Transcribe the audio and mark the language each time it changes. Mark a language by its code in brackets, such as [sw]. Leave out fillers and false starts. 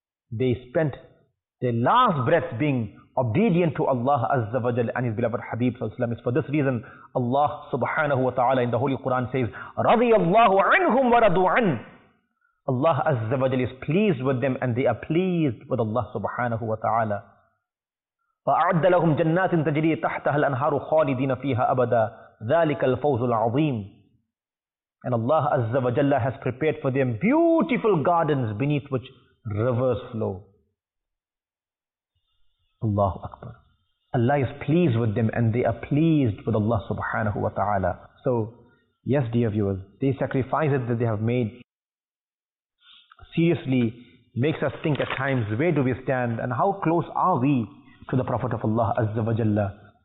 [en] They spent their last breath being obedient to Allah Azza wa Jal and His beloved Habib sallallahu alaihi wasallam. It's for this reason Allah subhanahu wa ta'ala in the Holy Quran says, [ar] radiyallahu anhum wa radu an. [en] Allah Azza wa Jal is pleased with them and they are pleased with Allah subhanahu wa ta'ala. [ar] فأعد لهم جنات تجري تحتها الأنهار خالدين فيها أبدا ذلك الفوز العظيم. [en] And Allah Azza wa Jalla has prepared for them beautiful gardens beneath which rivers flow. Allahu Akbar. Allah is pleased with them and they are pleased with Allah subhanahu wa ta'ala. So yes, dear viewers, these sacrifices that they have made seriously makes us think at times, where do we stand and how close are we to the Prophet of Allah Azza wa Jalla?